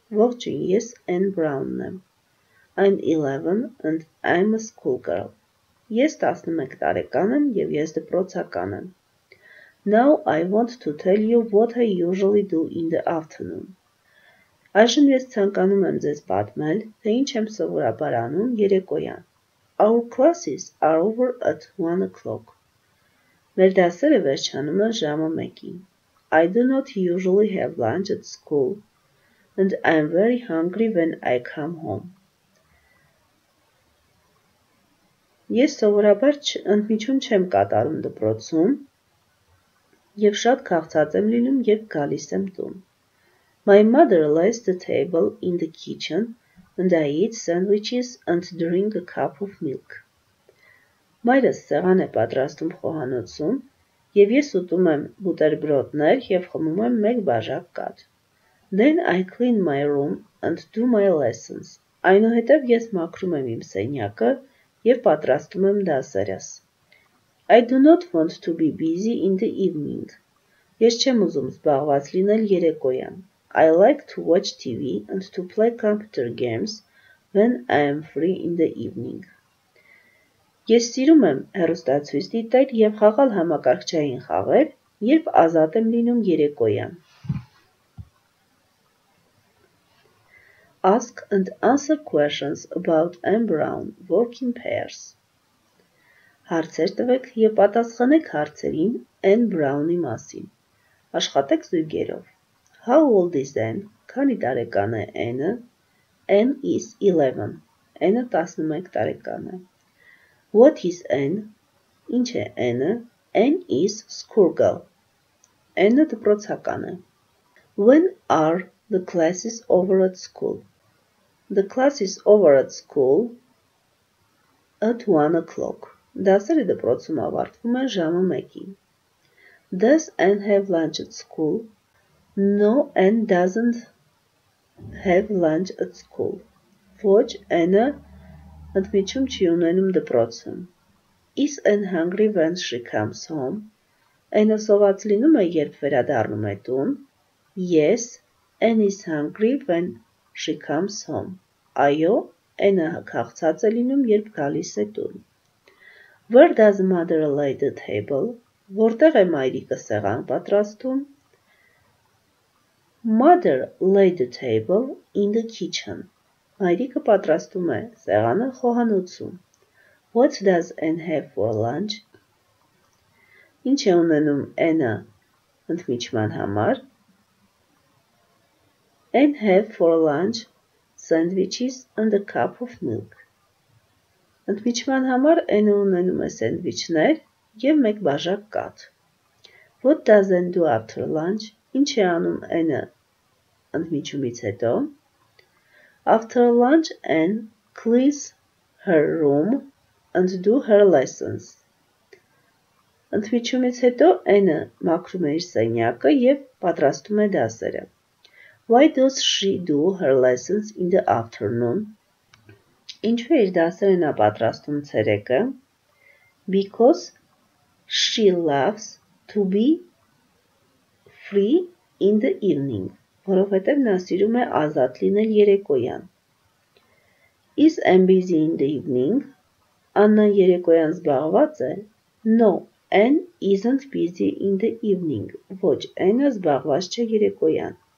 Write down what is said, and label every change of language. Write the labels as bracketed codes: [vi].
[hy] Ողջույն, ես Anne Brown-ն եմ. [en] I'm 11 and I'm a schoolgirl. [hy] Ես 11 տարեկան եմ և ես դպրոցական եմ. [en] Now I want to tell you what I usually do in the afternoon. [hy] Այժմ ես ցանկանում եմ ձեզ պատմել, թե ինչ եմ սովորաբար անում երեկոյան. [en] Our classes are over at 1 o'clock. [hy] Մեր դասերը վերջանում են ժամը 1-ին. [en] I do not usually have lunch at school. And I'm very hungry when I come home. [hy] Ես սովորաբար ընդմիջում չեմ կատարում դպրոցում և շատ քաղցած եմ լինում, երբ գալիս եմ տուն. [en] My mother lays the table in the kitchen and I eat sandwiches and drink a cup of milk. [hy] Մայրս սեղան է պատրաստում խոհանոցում և ես ուտում եմ բուտերբրոդներ և խմում եմ մեկ բաժակ կաթ. [en] Then I clean my room and do my lessons. [hy] Այնուհետև ես մաքրում եմ իմ սենյակը և պատրաստում եմ դասերս. [en] I do not want to be busy in the evening. [hy] Ես չեմ ուզում զբաղված լինել երեկոյան. [en] I like to watch TV and to play computer games when I am free in the evening. [hy] Ես սիրում եմ հեռուստացույց դիտել և խաղալ համակարգչային խաղեր, երբ ազատ եմ լինում երեկոյան. [en] Ask and answer questions about Anne Brown, work in pairs. [hy] Հարցեր տվեք և պատասխանեք հարցերին Anne Brown-ի մասին. Աշխատեք զույգերով. [en] How old is Anne? [hy] Քանի տարեկան է Anne? [en] Anne is 11. [hy] Anne 11 տարեկան է. [en] What is Anne? [hy] Ինչ է Anne? [en] Anne is schoolgirl. [hy] Anne դպրոցական է. [en] When are the classes over at school? The class is over at school at 1 o'clock. [hy] Դասերը դպրոցում ավարտվում են ժամը 1-ին. [en] Does Anne have lunch at school? No, Anne doesn't have lunch at school. [hy] Ոչ, Anne-ը ընդմիջում չի ունենում դպրոցում. [en] Is Anne hungry when she comes home? [hy] Anne-ը սոված լինում է, երբ վերադառնում է տուն. [en] Yes, Anne is hungry when she comes home. [hy] Այո, Anne-ը քաղցած է լինում, երբ գալիս է տուն. [en] Where does mother lay the table? [hy] Որտեղ է մայրիկը սեղան պատրաստում? [en] Mother laid the table in the kitchen. [hy] Մայրիկը պատրաստում է սեղանը խոհանոցում. [en] What does Anne have for lunch? [hy] Ինչ է ունենում Anne-ը ընդմիջման համար? [en] Anne have for lunch sandwiches and a cup of milk. [hy] Ընդմիջման համար Anne-ը ունենում է սենդվիչներ և մեկ բաժակ կաթ. [en] What does Anne do after lunch? [hy] Ինչ է անում Anne-ը ընդմիջումից հետո? [en] After lunch, Anne cleans her room and do her lessons. [hy] Ընդմիջումից հետո Anne-ը մաքրում է իր սենյակը և պատրաստում է դասերը. [en] Why does she do her lessons in the afternoon? [hy] Ինչու է իր դասերը նա պատրաստում ցերեկը? [en] Because she loves to be free in the evening. [hy] Որովհետև նա սիրում է ազատ լինել երեկոյան. [en] Is Anne busy in the evening? [hy] Աննա երեկոյան զբաղված է? [en] No, Anne isn't busy in the evening. [hy] Ոչ, Anne-ը զբաղված չէ երեկոյան.